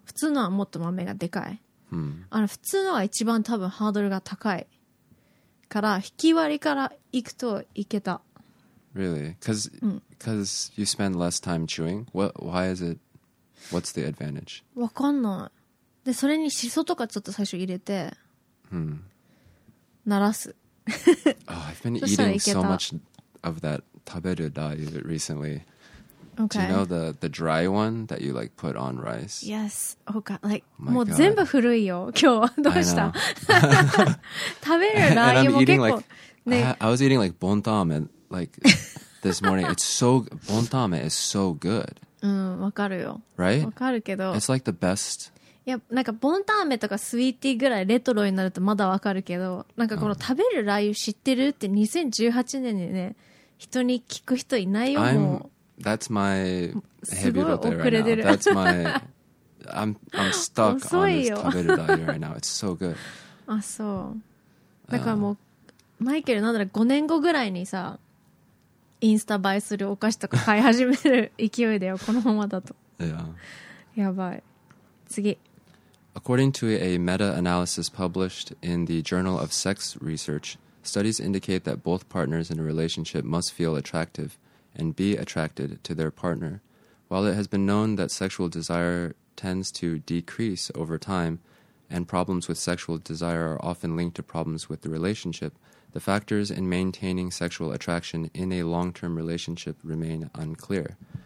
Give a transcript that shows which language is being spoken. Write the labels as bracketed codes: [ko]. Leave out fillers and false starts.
[ja] 普通のはもっと豆がでかい、普通のは一番多分ハードルが高いから、ひきわりから行くといけた。 [en] Really? Because you spend less time chewing? Why is it? What's the advantage? [ja] わかんない。で、それにシソとかちょっと最初入れて、鳴らす。 [en] Oh, I've been eating so much of that 食べるラー油 recently. Okay. Do you know the dry one that you like put on rice? Yes. Oh god. Like, [ja] もう全部古いよ。今日どうした？食べるラー油も結構。 [en] Like, I was eating like ボンタメ like this morning. It's so ボンタメ is so good. [ja] うん、わかるよ。 [en] Right? [ja] わかるけど。 [en] It's like the best. [ja] いや、なんかボンタンメとかスウィーティーぐらいレトロになるとまだわかるけど、なんかこの食べるラー油知ってるって2018年にね、人に聞く人いないよ。もう [en] That's my heavy rotate right now. That's my I'm stuck on this 食べるラー油 right now. It's so good. [ja] あ、そう。だからもう、マイケルなんだろう、5年後ぐらいにさ、インスタ映えするお菓子とか買い始める勢いだよ、このままだと。いや、やばい。次。 [en] According to a meta-analysis published in the Journal of Sex Research, studies indicate that both partners in a relationship must feel attractive and be attracted to their partner. While it has been known that sexual desire tends to decrease over time, and problems with sexual desire are often linked to problems with the relationship, the factors in maintaining sexual attraction in a long-term relationship remain unclear.